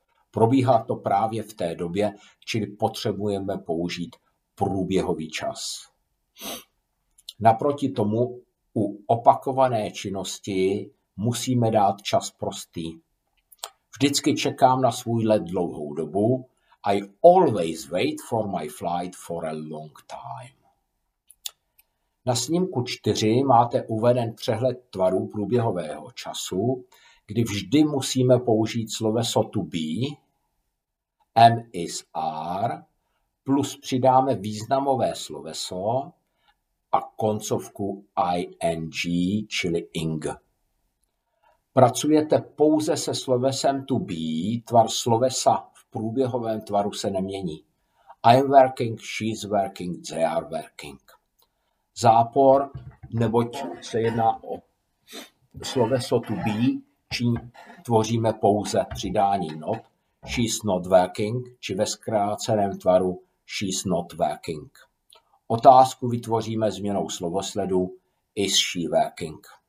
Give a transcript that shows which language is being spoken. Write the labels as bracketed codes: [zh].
[cs] Probíhá to právě v té době, čili potřebujeme použít průběhový čas. Naproti tomu u opakované činnosti musíme dát čas prostý. Vždycky čekám na svůj let dlouhou dobu. [en] I always wait for my flight for a long time. [cs] Na snímku 4 máte uveden přehled tvarů průběhového času, kdy vždy musíme použít sloveso to be, am is are, plus přidáme významové sloveso a koncovku ing, čili ing. Pracujete pouze se slovesem to be, tvar slovesa v průběhovém tvaru se nemění. [en] I'm working, she's working, they are working. [cs] Zápor, neboť se jedná o sloveso to be, čím tvoříme pouze přidání not, [en] she's not working, [cs] či ve zkráceném tvaru she's not working. Otázku vytvoříme změnou slovosledu [en] is she working.